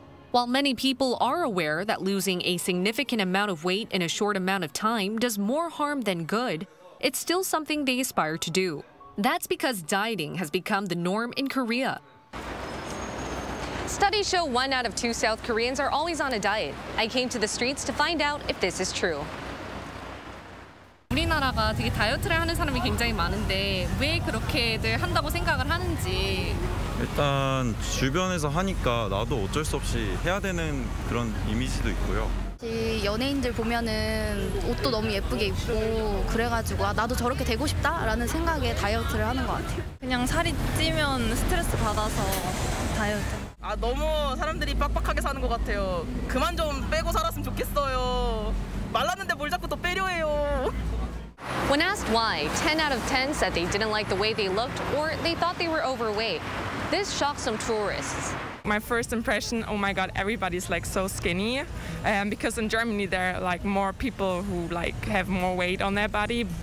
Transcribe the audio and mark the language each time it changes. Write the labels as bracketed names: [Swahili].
[English] While many people are aware that losing a significant amount of weight in a short amount of time does more harm than good, it's still something they aspire to do. That's because dieting has become the norm in Korea. Studies show one out of two South Koreans are always on a diet. I came to the streets to find out if this is true. [Korean] 우리나라가 되게 다이어트를 하는 사람이 굉장히 많은데 왜 그렇게들 한다고 생각을 하는지 일단 주변에서 하니까 나도 어쩔 수 없이 해야 되는 그런 이미지도 있고요. 연예인들 보면은 옷도 너무 예쁘게 입고 그래가지고 아, 나도 저렇게 되고 싶다라는 생각에 다이어트를 하는 것 같아요. 그냥 살이 찌면 스트레스 받아서 다이어트. 아 너무 사람들이 빡빡하게 사는 것 같아요. 그만 좀 빼고 살았으면 좋겠어요. 말랐는데 뭘 자꾸 또 빼려 해요. [English] When asked why, 10 out of 10 said they didn't like the way they looked or they thought they were overweight. This shocked some tourists. My first impression, oh my god, everybody's like so skinny. Because in Germany there are like more people who like have more weight on their body.